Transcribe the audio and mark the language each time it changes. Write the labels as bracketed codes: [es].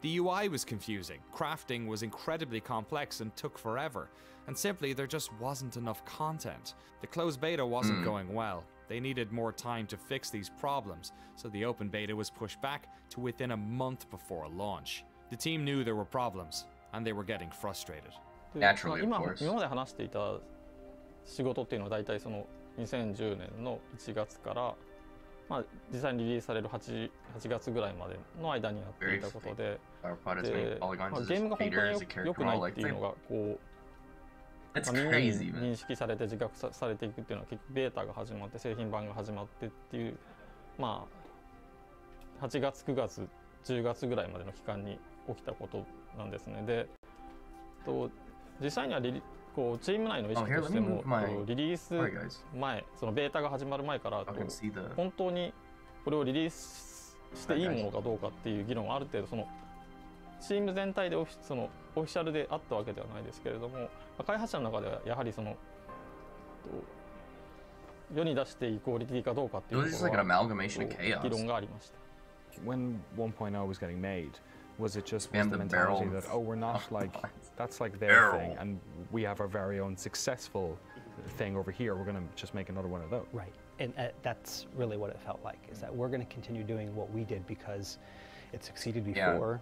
[en] The UI was confusing, crafting was incredibly complex and took forever, and simply there just wasn't enough content. The closed beta wasn't going well. They needed more time to fix these problems, so the open beta was pushed back to within a month before launch. The team knew there were problems. And they were getting frustrated. Naturally, of course. [ja] 今まで話していた仕事っていうのは大体その2010年の1月からまあ、実際にリリースされる 8月ぐらいまでの間にやっていたことで、で、まあ、ゲームが本当に良くないっていうのがこう、まあ、みんなに認識されて自覚されていくっていうのは、結局ベータが始まって製品版が始まってっていう、まあ、8月9月10月ぐらいまでの期間に起きたことなんですね。で、と実際にはこうチーム内の意識としても、リリース前、そのベータが始まる前から本当にこれをリリースしていいものかどうかっていう議論はある程度そのチーム全体でオフィシャルであったわけではないですけれども、まあ、開発者の中ではやはりその世に出していいクオリティかどうかっていうところは議論がありました。 [en] When 1.0 was getting made, was it just was the mentality that, oh, we're not like, that's like their barrels. Thing, and we have our very own successful thing over here, we're going to just make another one of those. Right, and that's really what it felt like, is that we're going to continue doing what we did because it succeeded before.